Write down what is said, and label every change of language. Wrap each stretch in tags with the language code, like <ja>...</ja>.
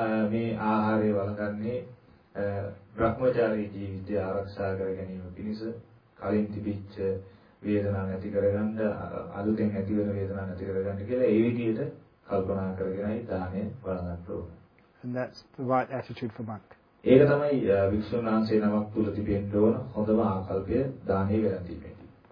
<si>මේ ආහාරය වළඳන්නේ බ්‍රහ්මචාරී ජීවිතය ආරක්ෂා කර ගැනීම පිණිස. කලින් තිබිච්ච වේදනාව නැති කරගන්න, අලුතෙන් ඇතිවන වේදනාව නැති කරගන්න කියලා ඒ විදිහට කල්පනා කරගෙනයි දානය වළඳන්න ඕනේ.</si> <en>And that's the right attitude for monk.</en> <si>ඒක තමයි වික්ෂුන් වහන්සේ නමක් තුල තිබෙන්න ඕන හොඳම ආකල්පය දානේ වැරදීමේදී.</si>